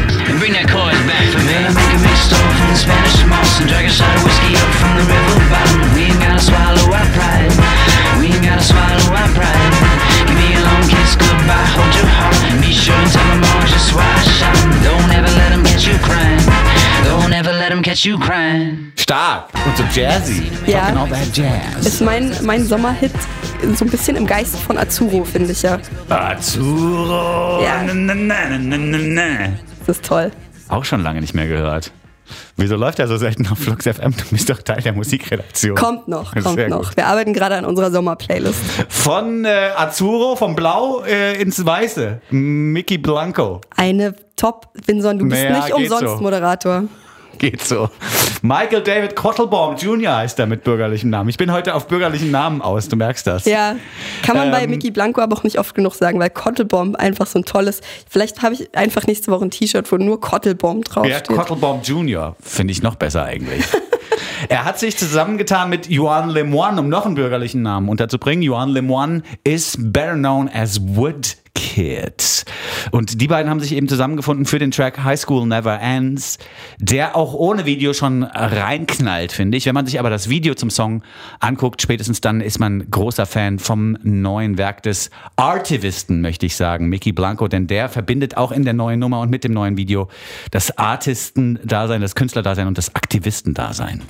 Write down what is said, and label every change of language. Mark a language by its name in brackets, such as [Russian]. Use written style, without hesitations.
[English] And bring that chorus back for me. Make a mix store from the Spanish moss and drag a shot of whiskey up from the river bottom. We ain't gotta swallow our pride. We ain't gotta swallow our pride. Give me a long kiss, goodbye, hold your heart. Be sure and tell them all just why I shot them. Don't ever let them get you crying. Don't ever let them and catch you crying. [German] Stark und so jazzy. Ja. Jazz. Ist mein Sommerhit so ein bisschen im Geist von Azzurro, finde ich ja. Azzurro. Ja. Das ist toll. Auch schon lange nicht mehr gehört. Wieso läuft der so selten auf Flux FM? Du bist doch Teil der Musikredaktion. Kommt noch, kommt sehr noch. Gut. Wir arbeiten gerade an unserer Sommerplaylist. Von Azzurro, vom Blau ins Weiße. Mickey Blanco. Eine Top, Vinson, du bist nicht umsonst so. Moderator. Geht so. Michael David Kottelbaum Jr. heißt er mit bürgerlichem Namen. Ich bin heute auf bürgerlichen Namen aus, du merkst das. Ja, kann man bei Mickey Blanco aber auch nicht oft genug sagen, weil Kottelbaum einfach so ein tolles, vielleicht habe ich einfach nächste Woche ein T-Shirt, wo nur Kottelbaum draufsteht. Ja, Kottelbaum Jr. finde ich noch besser eigentlich. Er hat sich zusammengetan mit Juan Lemoine, um noch einen bürgerlichen Namen unterzubringen. [English] Juan Lemoine is better known as Wood Kid. [German] Und die beiden haben sich eben zusammengefunden für den Track High School Never Ends, der auch ohne Video schon reinknallt, finde ich. Wenn man sich aber das Video zum Song anguckt, spätestens dann ist man großer Fan vom neuen Werk des Artivisten, möchte ich sagen, Mickey Blanco, denn der verbindet auch in der neuen Nummer und mit dem neuen Video das Artisten-Dasein, das Künstler-Dasein und das Aktivisten-Dasein.